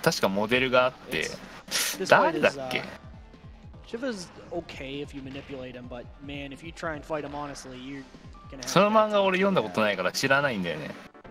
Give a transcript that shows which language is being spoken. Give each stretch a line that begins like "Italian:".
Japanese: 確かモデルがあって、誰だっけ？
English: Shiva's okay if you manipulate him, but man, if you try and fight him honestly, you're gonna.
Japanese: その漫画俺読んだことないから知らないんだよね。